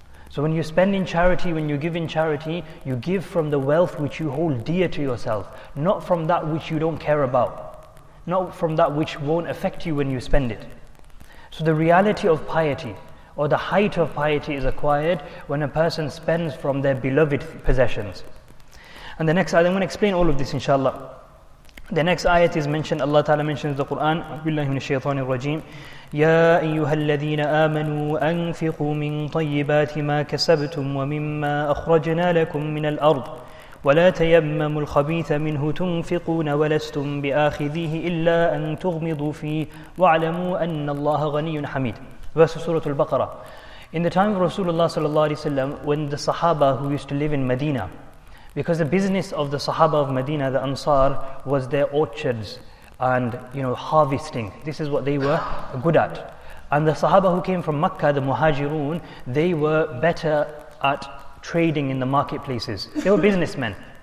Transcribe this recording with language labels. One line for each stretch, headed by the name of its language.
English: So when you spend in charity, when you give in charity, you give from the wealth which you hold dear to yourself, not from that which you don't care about, not from that which won't affect you when you spend it. So the reality of piety, or the height of piety, is acquired when a person spends from their beloved possessions. And the next ayat, I'm going to explain all of this, inshallah. The next ayat is mentioned, Allah Ta'ala mentions the Qur'an,
Arabic: بِاللَّهِ مِنَ الشَّيْطَانِ الرَّجِيمِ يا أيها الذين آمنوا أنفقوا من طيبات ما كسبتم ومما أخرجنا لكم من الأرض ولا تيمموا الخبيث منه تنفقون ولستم بآخذيه إلا أن تغمضوا فيه واعلموا أن الله غني حميد.
English: Verse Surah Al-Baqarah. In the time of Rasulullah sallallahu alaihi wasallam, when the Sahaba who used to live in Medina, because the business of the Sahaba of Medina, the Ansar, was their orchards and, you know, harvesting. This is what they were good at. And the Sahaba who came from Makkah, the Muhajirun, they were better at trading in the marketplaces. They were businessmen.